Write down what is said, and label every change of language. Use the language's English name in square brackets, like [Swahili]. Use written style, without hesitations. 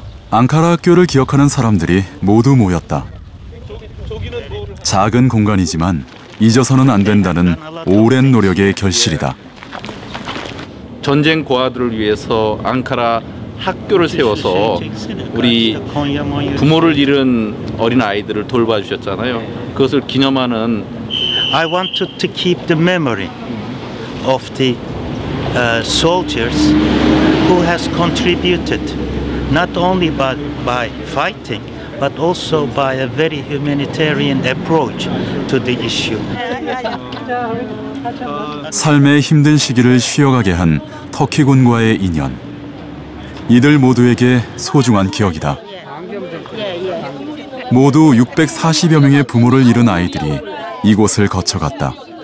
[Korean] 앙카라 학교를 기억하는 사람들이 모두 모였다. 작은 공간이지만 잊어서는 안 된다는 오랜 노력의 결실이다. 전쟁 고아들을 위해서 앙카라 학교를 세워서 우리 부모를 잃은 어린 아이들을 돌봐주셨잖아요. 그것을 기념하는 [English] I want to keep the memory of the soldiers who has contributed not only by fighting but also by a very humanitarian approach to the issue. [Korean] 삶의 힘든 시기를 쉬어가게 한 터키군과의 인연. 이들 모두에게 소중한 기억이다. 모두 640여 명의 부모를 잃은 아이들이 이곳을 거쳐갔다.